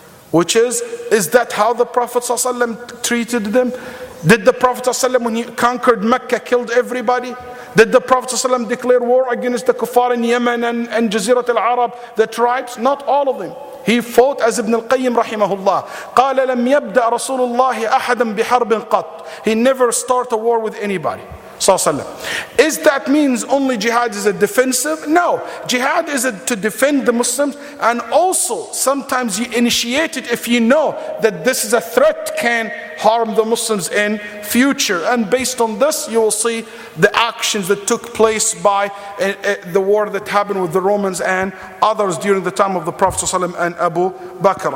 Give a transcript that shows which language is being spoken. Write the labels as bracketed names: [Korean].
[English] Which is that how the Prophet ﷺ treated them? Did the Prophet ﷺ, when he conquered Mecca, killed everybody? Did the Prophet ﷺ declare war against the kuffar in Yemen and Jazirat al-Arab, the tribes? Not all of them. He fought as Ibn al-Qayyim rahimahullah. [Arabic] قَالَ لَمْ يَبْدَأْ رَسُولُ اللَّهِ أَحَدًا بِحَرْبٍ قَطْ. [English] He never started a war with anybody. Is that means only jihad is a defensive? No. Jihad is a, to defend the Muslims, and also sometimes you initiate it if you know that this is a threat can harm the Muslims in future. And based on this, you will see the actions that took place by the war that happened with the Romans and others during the time of the Prophet and Abu Bakr.